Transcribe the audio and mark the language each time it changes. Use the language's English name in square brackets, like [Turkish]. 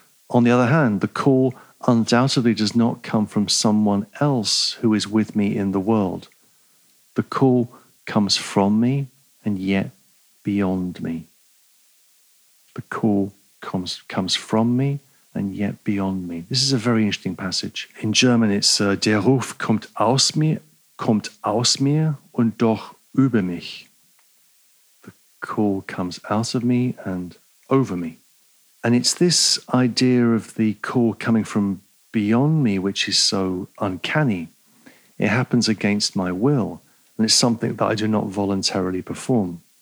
[English] On the other hand, the call undoubtedly does not come from someone else who is with me in the world. The call comes from me and yet beyond me. The call comes from me and yet beyond me. This is a very interesting passage. In German, it's [German] Der Ruf kommt aus mir und doch über mich. [English] The call comes out of me and over me. And it's this idea of the call coming from beyond me which is so uncanny. It happens against my will, and it's something that I do not voluntarily perform.